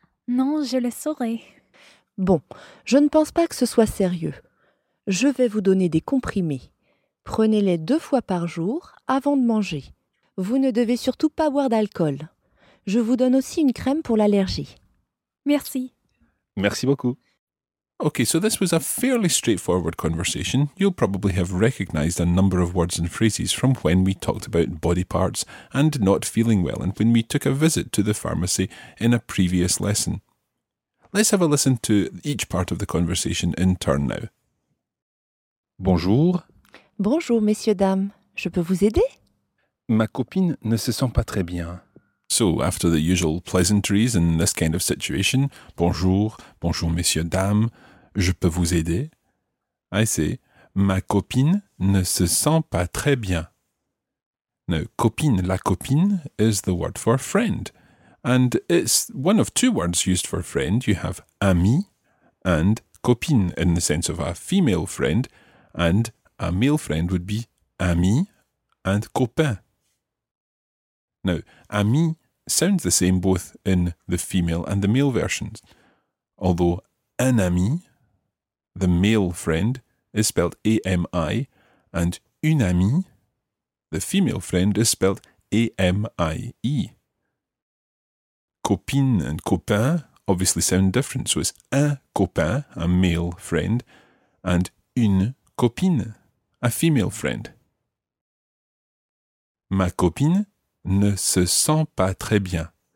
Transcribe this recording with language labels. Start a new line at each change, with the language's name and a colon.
French: Non, je le saurais. Bon, je ne pense pas que ce soit sérieux. Je vais vous donner des comprimés. Prenez-les 2 fois par jour avant de manger. Vous ne devez surtout pas boire d'alcool. Je vous donne aussi une crème pour l'allergie. Merci. Merci beaucoup.
English: Okay, so this was a fairly straightforward conversation. You'll probably have recognized a number of words and phrases from when we talked about body parts and not feeling well and when we took a visit to the pharmacy in a previous lesson. Let's have a listen to each part of the conversation in turn now.
French: Bonjour. Bonjour, messieurs, dames. Je peux vous aider? Ma copine ne se sent pas très bien.
English: So, after the usual pleasantries in this kind of situation,
French: bonjour, bonjour, messieurs, dames, je peux vous aider?
English: I say,
French: ma copine ne se sent pas très bien.
English: Now, copine, la copine, is the word for friend. And it's one of 2 words used for friend. You have ami and copine in the sense of a female friend. And a male friend would be ami and copain. Now, ami sounds the same both in the female and the male versions. Although un ami, the male friend, is spelled A-M-I. And une amie, the female friend, is spelled A-M-I-E. Copine and copain obviously sound different, so it's un copain, a male friend, and une copine, a female friend.
French: Ma copine ne se sent pas très bien.